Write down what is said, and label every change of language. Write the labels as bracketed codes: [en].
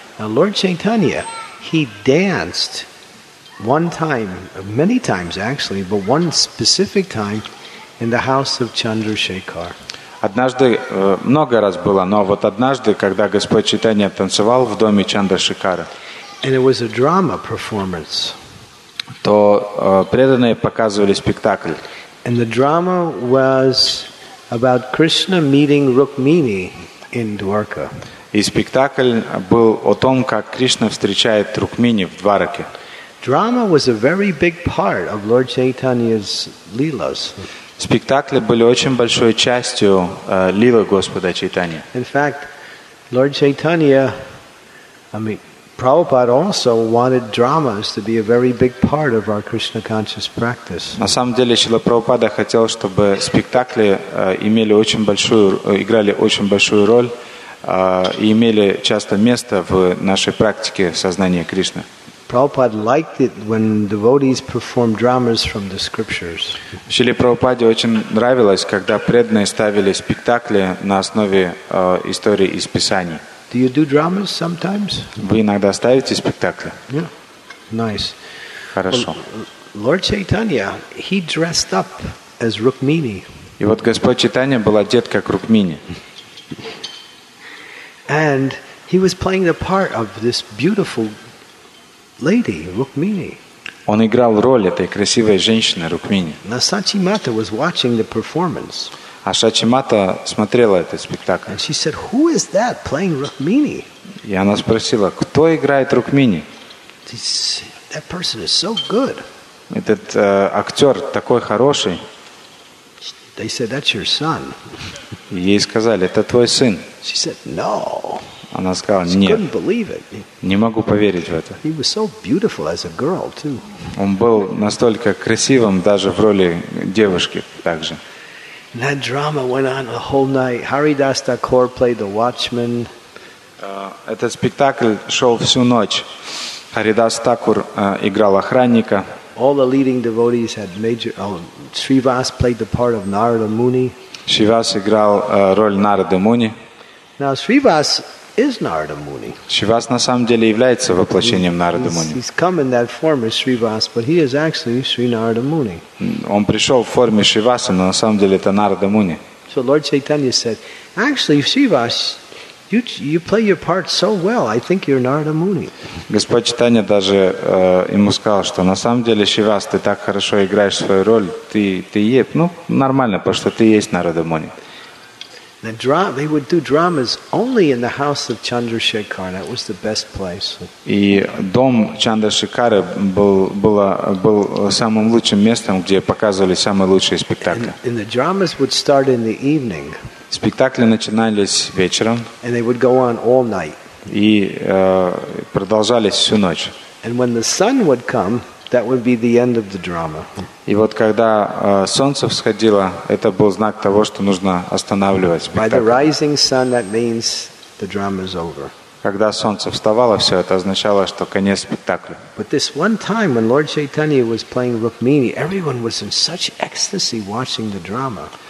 [en] Now Lord Chaitanya, he danced one time, many times actually, but one specific time in the house of Chandrasekhar. [ru] Однажды, много раз было, но вот однажды, когда Господь Чайтанья танцевал в доме Чандрашекары, [en] and it was a drama performance. [ru] То преданные показывали спектакль. [en] And the drama was about Krishna meeting Rukmini in Dwarka. [ru] И спектакль был о том, как Кришна встречает Рукмини в Двараке. [en] Drama was a very big part of Lord Chaitanya's leelas. [ru] Спектакли были очень большой частью лилы Господа Чайтаньи. [en] In fact, Lord Chaitanya, Prabhupada also wanted dramas to be a very big part of our Krishna conscious practice. [ru] На самом деле, Шрила Прабхупада хотел, чтобы спектакли имели очень большую, играли очень большую роль и имели часто место в нашей практике сознания Кришны. [en] Prabhupada liked it when devotees performed dramas from the scriptures. [ru] Шриле Прабхупаде очень нравилось, когда преданные ставили спектакли на основе истории из Писаний. [en] Do you do dramas sometimes? [ru] Вы иногда ставите спектакли? [en] Yeah. Nice. [ru] Хорошо. [en] Well, Lord Chaitanya, he dressed up as Rukmini. [ru] И вот Господь Чайтанья был одет как Рукмини. [en] And he was playing the part of this beautiful lady, Rukmini. [ru] Он играл роль этой красивой женщины Рукмини. [en] Сачи Мата was watching the performance. [ru] А Сачи Мата смотрела этот спектакль. [en] And she said, "Who is that playing Rukmini?" [ru] И она спросила, кто играет Рукмини? [en] That person is so good. [ru] Этот актер такой хороший. [en] They said, "That's your son." [ru] Ей сказали, это твой сын. [en] She said, "No." [ru] Она сказала, нет. [en] She couldn't believe it. [ru] Не могу поверить в это. [en] He was so beautiful as a girl too. [ru] Он был настолько красивым даже в роли девушки также. [en] And that drama went on the whole night. Haridas Thakur played the watchman. [ru] Этот спектакль шел всю ночь. Харидас Такур играл охранника. [en] All the leading devotees had major. Shrivas played the part of Narada Muni. [ru] Shrivas играл роль Нарады Муни. [en] Now Shrivas is Narada Muni. [ru] Shrivas на самом деле является воплощением Нарады Муни. [en] He's come in that form as Shrivas, but he is actually Sri Narada Muni. [ru] Он пришел в форме Шриваса, но на самом деле это Нарада Муни. [en] So Lord Chaitanya said, actually Shrivas. You play your part so well. I think you're Narada Muni. [ru] Господь Чайтанья даже ему сказал, что на самом деле Шивас, ты так хорошо играешь свою роль, ты нормально, потому что ты есть Нарада Муни. [en] They would do dramas only in the house of Chandrasekhar. That was the best place. [ru] И дом Чандрашекара был самым лучшим местом, где показывали самые лучшие спектакли. [en] And the dramas would start in the evening. [ru] Спектакли начинались вечером. [en] And they would go on all night. [ru] И продолжались всю ночь. [en] And when the sun would come, that would be the end of the drama. [ru] И вот когда солнце всходило, это был знак того, что нужно останавливать спектакль. [en] By the rising sun, that means the drama is over. [ru] Когда солнце вставало, все это означало, что конец спектакля. [en] But this one time when Lord Chaitanya was playing Rukmini, everyone was in such ecstasy watching the drama.